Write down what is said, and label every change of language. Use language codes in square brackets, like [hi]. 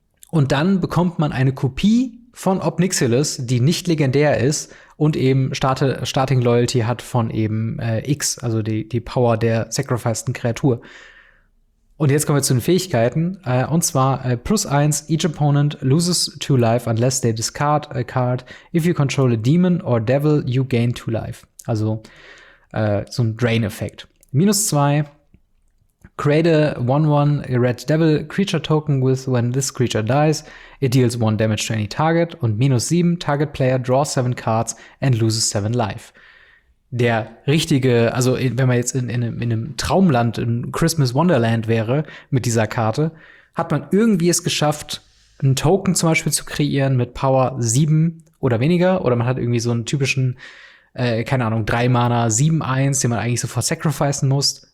[de] Und dann bekommt man eine Kopie von Obnixilus, die nicht legendär ist und eben starting loyalty hat von eben X, also die Power der sacrificeden Kreatur. Und jetzt kommen wir zu den Fähigkeiten, und zwar +1, [en] each opponent loses 2 life unless they discard a card. If you control a demon or devil, you gain 2 life. [de] Also so ein Drain-Effekt. [en] -2, create a 1-1 red devil creature token with when this creature dies, it deals 1 damage to any target. Und -7, target player draws 7 cards and loses 7 life. [de] Der richtige, also wenn man jetzt in einem Traumland, in Christmas Wonderland wäre mit dieser Karte, hat man irgendwie es geschafft, einen Token zum Beispiel zu kreieren mit Power 7 oder weniger. Oder man hat irgendwie so einen typischen, 3-Mana 7-1, den man eigentlich sofort sacrificen muss.